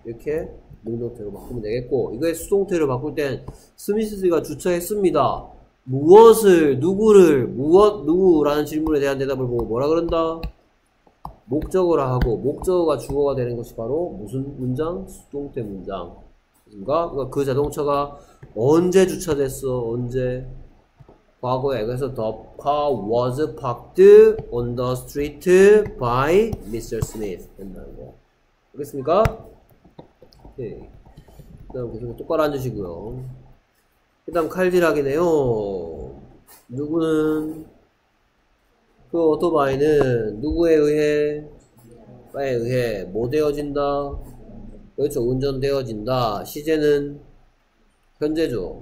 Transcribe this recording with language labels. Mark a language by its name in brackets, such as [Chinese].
[Korean] 이렇게 능동태로 바꾸면 되겠고 이거의 수동태로 바꿀 땐 스미스가 주차했습니다. 무엇을 누구를 무엇 누구라는 질문에 대한 대답을 보고 뭐라 그런다? 목적어라 하고 목적어가 주어가 되는 것이 바로 무슨 문장? 수동태 문장. 그니까 그러니까 그 자동차가 언제 주차됐어? 언제? 과거에 그래서 [English] the car was parked on the street by Mr. [Korean] Smith 된다는 거 알겠습니까? 오케이 그 다음 계속 똑바로 앉으시고요 그 다음 칼질하기네요 누구는 그 오토바이는 누구에 의해 바에 의해 뭐 되어진다 그렇죠 운전되어진다 시제는 현재죠.